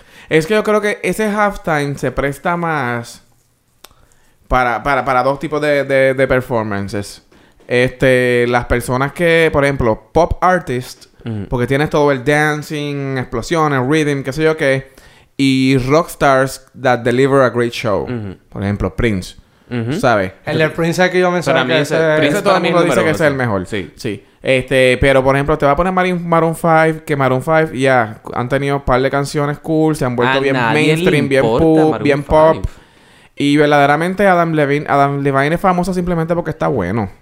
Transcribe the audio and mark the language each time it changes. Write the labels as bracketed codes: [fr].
[es] Es que yo creo que ese halftime se presta más para dos tipos de performances. Las personas que, por ejemplo, pop artist, porque tienes todo el dancing, explosiones, rhythm, qué sé yo qué. [en] Y rock stars that deliver a great show. [es] Uh-huh. Por ejemplo, Prince. Uh-huh. ¿Sabes? El de Prince es que yo mencioné. Para mí ese Prince todo el mundo dice que es el mejor. Sí, sí. Pero por ejemplo, te voy a poner Maroon 5, que Maroon 5 ya han tenido un par de canciones cool, se han vuelto bien mainstream, bien pop, bien pop. Y verdaderamente Adam Levine es famoso simplemente porque está bueno.